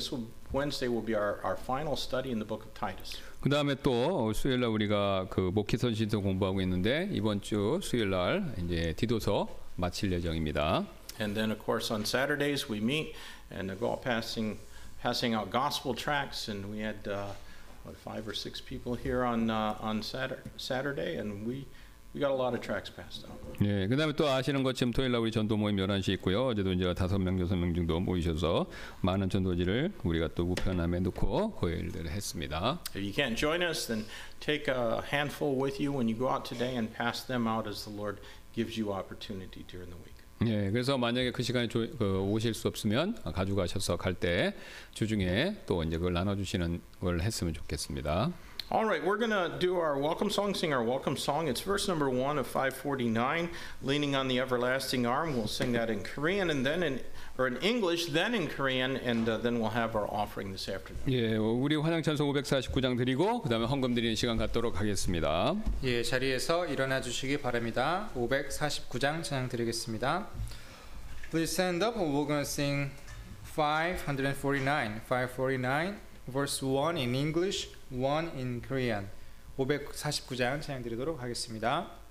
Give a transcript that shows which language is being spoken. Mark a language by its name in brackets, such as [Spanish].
[English] This will Wednesday will be our final study in the book of Titus. [Korean] 그 다음에 또 수요일 날 우리가 그 목회 선신서 공부하고 있는데 이번 주 수요일 날 이제 디도서 마칠 예정입니다. [English] And then of course on Saturdays we meet and go passing out gospel tracts, and we had five or six people here on Saturday, and we We got a lot of tracks passed out. [Korean] 예, 그다음에 또 아시는 것처럼 토요일 날 우리 전도 모임 11시 있고요. 어제도 이제 5명, 6명 정도 모이셔서 많은 전도지를 우리가 또 우편함에 놓고 거행을 했습니다. [English] If you can't join us, then take a handful with you when you go out today and pass them out as the Lord gives you opportunity during the week. [Korean] 예, 그래서 만약에 그 시간에 오실 수 없으면 가져가셔서 갈 때 주중에 또 이제 그걸 나눠주시는 걸 했으면 좋겠습니다. [English] All right, we're going to do our welcome song, sing our welcome song. It's verse number 1 of 549, Leaning on the Everlasting Arm. We'll sing that in Korean and then in English, then in Korean, and then we'll have our offering this afternoon. [Korean] 예, 우리 환영 찬송 549장 드리고 그다음에 헌금 드리는 시간 갖도록 하겠습니다. 예, 자리에서 일어나 주시기 바랍니다. 549장 찬양 드리겠습니다. [English] Please stand up and we're going to sing 549 verse 1 in English. One in Korean. [Korean] 549장 찬양 드리도록 하겠습니다.